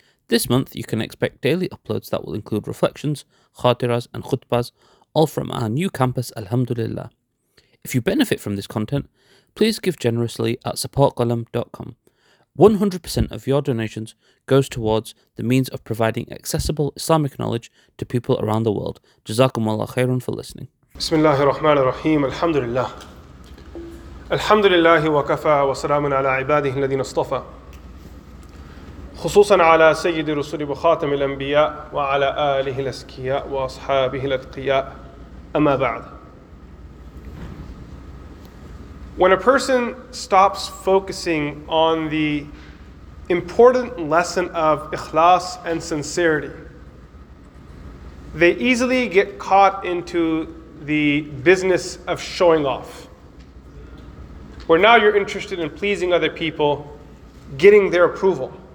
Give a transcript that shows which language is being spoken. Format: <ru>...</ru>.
<en>This month, you can expect daily uploads that will include reflections, khatiras, and khutbas, all from our new campus, alhamdulillah. If you benefit from this content, please give generously at supportqalam.com. 100% of your donations goes towards the means of providing accessible Islamic knowledge to people around the world. Jazakum Allah khairun for listening.</en> <ar>بسم الله الرحمن الرحيم الحمد لله الحمد لله وكفى وسلام على عباده الذين اصطفى خصوصا على سيد الرسل وخاتم الأنبياء وعلى آله الأزكياء وأصحابه الأتقياء أما بعد.</ar> <en>When a person stops focusing on the important lesson of ikhlas and sincerity, they easily get caught into the business of showing off, where now you're interested in pleasing other people, getting their approval.</en>